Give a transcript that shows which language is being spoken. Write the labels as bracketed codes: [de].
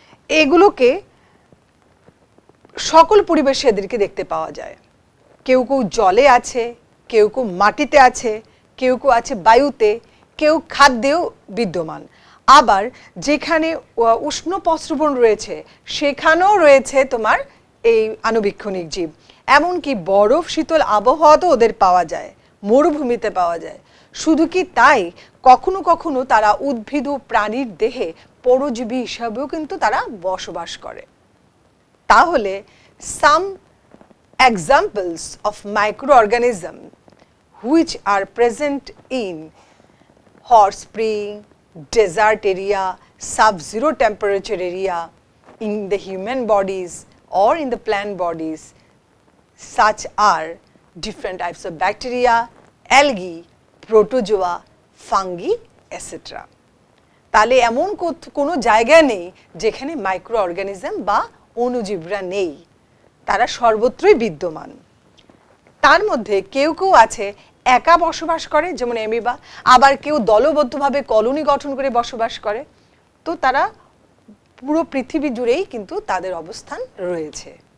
[bn] এগুলোকে সকল পরিবেশে এদেরকে দেখতে পাওয়া যায়, কেউ কেউ জলে আছে, কেউ কেউ মাটিতে আছে, কেউ কেউ আছে বায়ুতে, কেউ খাদ্যেও বিদ্যমান, আবার যেখানে উষ্ণ পশ্রবণ রয়েছে সেখানেও রয়েছে তোমার এই আণুবীক্ষণিক জীব, এমনকি বরফ শীতল আবহাওয়াতেও ওদের পাওয়া যায়, মরুভূমিতে পাওয়া যায়। শুধু কি তাই, কখনো কখনো তারা উদ্ভিদ ও প্রাণীর দেহে পরজীবী হিসাবেও কিন্তু তারা বসবাস করে। তাহলে [en] Some examples of microorganism which are present in hot spring, desert area, sub-zero temperature area, in the human bodies or in the plant bodies, such are different types of bacteria, algae, protozoa, fungi, etc. [bn] তাহলে এমন কোনো জায়গা নেই যেখানে microorganism বা অণুজীবরা নেই, তারা সর্বত্রই বিদ্যমান। তার মধ্যে কেউ কেউ আছে একা বসবাস করে যেমন অ্যামিবা, আবার কেউ দলবদ্ধভাবে কলোনি গঠন করে বসবাস করে, তো তারা পুরো পৃথিবী জুড়েই কিন্তু তাদের অবস্থান রয়েছে।